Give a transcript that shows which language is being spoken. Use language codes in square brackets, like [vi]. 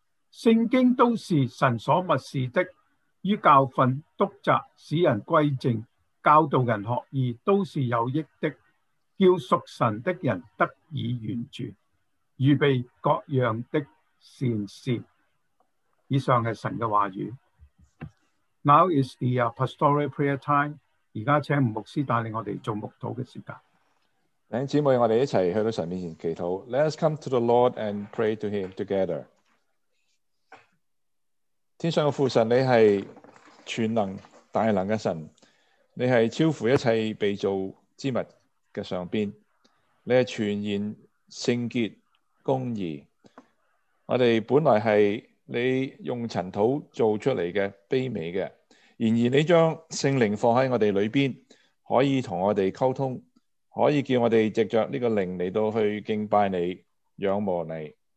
[zh] 圣经都是神所默示的，于教训、督责、使人归正、教导人学义，都是有益的，叫属神的人得以完全，预备各样的善事。以上是神的话语。 [en] Now is the pastoral prayer time. [zh] 现在请牧师带领我们做牧祷的时间。弟兄姊妹，我们一起去到神面前祈祷。 [en] Let us come to the Lord and pray to Him together. [zh] 天上的父神，你是全能大能的神，你是超乎一切被造之物的上边，你是全然圣洁公义。我们本来是你用尘土做出来的卑微的，然而你将圣灵放在我们里面，可以跟我们沟通，可以叫我们藉着这个灵来到去敬拜你、仰慕你。